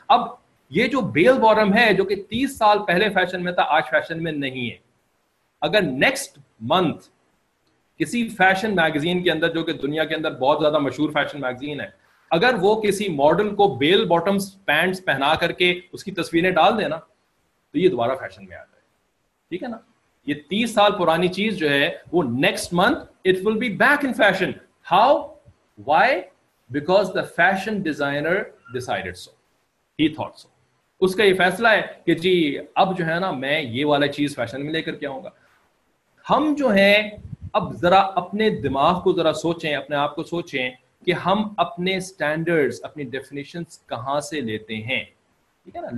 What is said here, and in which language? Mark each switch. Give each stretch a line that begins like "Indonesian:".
Urdu: اب یہ جو بیل بورم ہے جو کہ 30 سال پہلے فیشن میں تھا آج فیشن میں نہیں ہے, اگر نیکسٹ منتھ کسی فیشن میگزین کے اندر جو کہ دنیا کے اندر بہت زیادہ مشہور فیشن میگزین ہے, اگر وہ کسی ماڈل کو بیل باٹمس پینٹس پہنا کر کے اس کی تصویریں ڈال دے نا تو یہ دوبارہ فیشن میں آتا ہے, ٹھیک ہے نا. یہ 30 سال پرانی چیز جو ہے وہ next month
English: It will be back in fashion. How? Why? Because the fashion designer decided so. He thought so.
Urdu: اس کا یہ فیصلہ ہے کہ جی اب جو ہے نا میں یہ والا چیز فیشن میں لے کر کے آؤں گا. ہم جو ہیں اب ذرا اپنے دماغ کو ذرا سوچیں, اپنے آپ کو سوچیں کہ ہم اپنے اسٹینڈرڈ اپنی ڈیفینیشنس کہاں سے لیتے ہیں, ٹھیک ہے نا.